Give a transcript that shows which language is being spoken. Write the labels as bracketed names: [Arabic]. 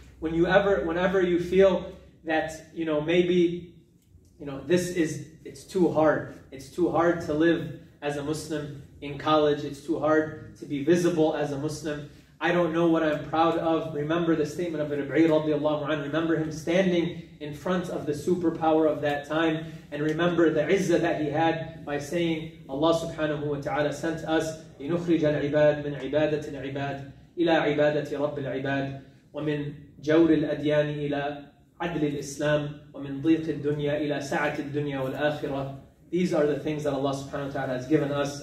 [English] Whenever you feel that, you know, maybe, you know, it's too hard. It's too hard to live as a Muslim in college. It's too hard to be visible as a Muslim. I don't know what I'm proud of. Remember the statement of Rabi'i radiallahu anhu. Remember him standing in front of the superpower of that time. And remember the izzah that he had by saying, Allah subhanahu wa ta'ala sent us, [Arabic] لِنُخْرِجَ الْعِبَادِ مِنْ عِبَادَةِ الْعِبَادِ إِلَىٰ عِبَادَةِ رَبِّ الْعِبَادِ وَمِنْ جَوْرِ الْأَدْيَانِ إِلَىٰ عَدْلِ الْإِسْلَامِ وَمِنْ ضِيقِ الدُّنْيَا إِلَىٰ سَعَةِ الدُّنْيَا وَالْآخِرَةِ. [English] These are the things that Allah subhanahu wa ta'ala has given us.